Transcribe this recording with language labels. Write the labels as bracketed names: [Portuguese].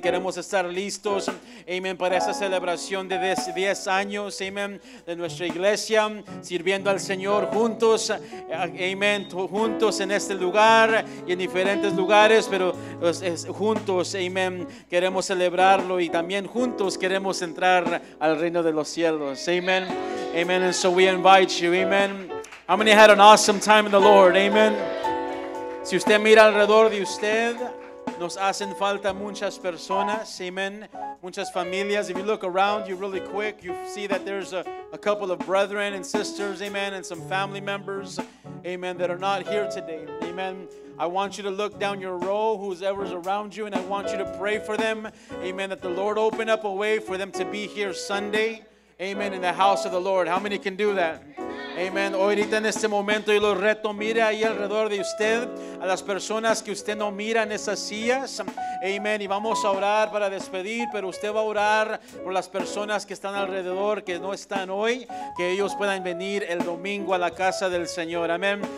[Spanish] Queremos estar listos, amen, para esa celebración de 10 años, amen, de nuestra iglesia, sirviendo al Señor juntos, amen, juntos en este lugar y en diferentes lugares, pero juntos, amen, queremos celebrarlo y también juntos queremos entrar al reino de los cielos, amen, amen. [English] And so we invite you, amen. How many had an awesome time in the Lord, amen? [Spanish] Si usted mira alrededor de usted, nos hacen falta muchas personas, amen, muchas familias. [English] If you look around you really quick, you see that there's a couple of brethren and sisters, amen, and some family members, amen, that are not here today, amen. I want you to look down your row, whoever's around you, and I want you to pray for them. Amen. That the Lord open up a way for them to be here Sunday. Amen. In the house of the Lord. How many can do that? Amen. [Spanish] Hoy ahorita en este momento yo lo reto, mire ahí alrededor de usted a las personas que usted no mira en esas sillas. Amen. Y vamos a orar para despedir, pero usted va a orar por las personas que están alrededor, que no están hoy, que ellos puedan venir el domingo a la casa del Señor. Amen.